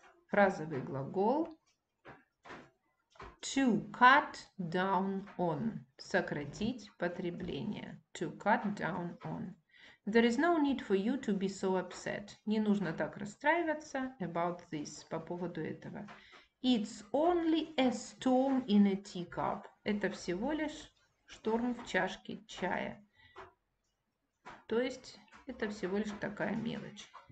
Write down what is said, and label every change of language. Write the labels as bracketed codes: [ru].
[ru] Фразовый глагол. [en] To cut down on. [ru] Сократить потребление. [en] To cut down on. There is no need for you to be so upset. [ru] Не нужно так расстраиваться [en] about this, [ru] по поводу этого. [en] It's only a storm in a teacup. [ru] Это всего лишь шторм в чашке чая. То есть, это всего лишь такая мелочь.